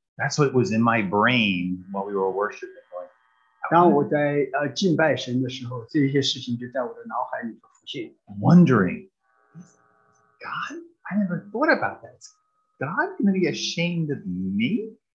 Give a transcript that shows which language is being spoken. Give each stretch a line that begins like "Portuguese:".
English: That's what was in my brain while we were worshiping.
Chinese: 当我在敬拜神的时候，这些事情就在我的脑海里浮现。
English: Wondering, God, I never thought about that. God going to be ashamed of me?